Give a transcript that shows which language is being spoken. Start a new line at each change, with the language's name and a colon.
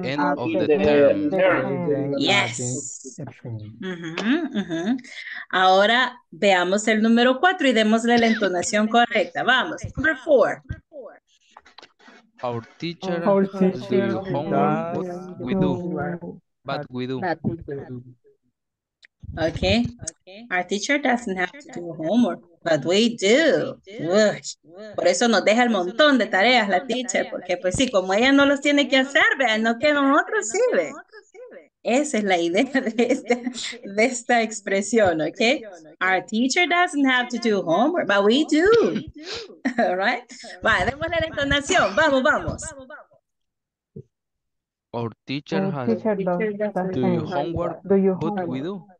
English: I don't like. I have to at the end of the term. Yes. Mm-hmm.
Spanish: Ahora veamos el número 4 y démosle la entonación correcta. Vamos.
English: Number 4. Our teacher does homework, but we do. Okay. Our teacher doesn't have to do homework. But we do.
Spanish: Por eso nos deja el montón de tareas la teacher, porque pues sí, como ella no los tiene que hacer, vean, no que nosotros sí. Esa es la idea de esta expresión, ¿ok?
English: Our teacher doesn't have to do homework, but we do. All right?
Spanish: Vale, démosle la entonación. Vamos, vamos.
English: Our teacher has to do homework, but we do.